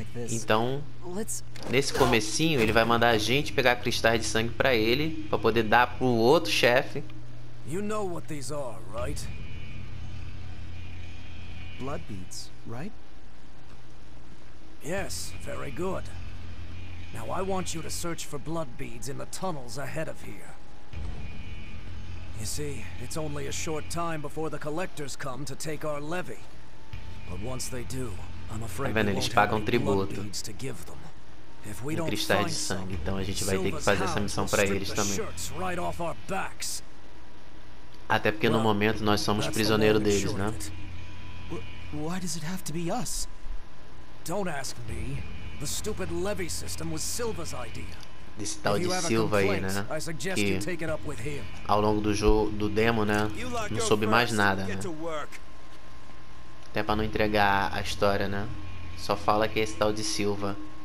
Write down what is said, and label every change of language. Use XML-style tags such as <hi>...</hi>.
<pt>Então, nesse comecinho, ele vai mandar a gente pegar cristais de sangue para ele, para poder dar pro outro chefe.</pt> <en>You know what these are, right? Blood beads, right? Yes, very good. Now I want you to search for blood beads in the tunnels ahead of here. You see, it's only a short time before the collectors come to take our levy. But once they do, I'm afraid we won't have any blood beads to give them. If we don't find some,</en> <pt>então a gente vai ter que fazer essa missão para eles também.</pt> <en>Right off our backs.</en> <pt>Até porque no momento nós somos prisioneiros deles, né?</pt> <en>Why does it have to be us? Don't ask me. The stupid levy system was Silva's idea.</en> <pt>Desse tal de Silva aí, né?</pt> <en>I suggest you take it up with him.</en> <pt>Ao longo do jogo, do demo, né? Não soube mais nada, né? Até para não entregar a história, né? Só fala que é esse tal de Silva.</pt>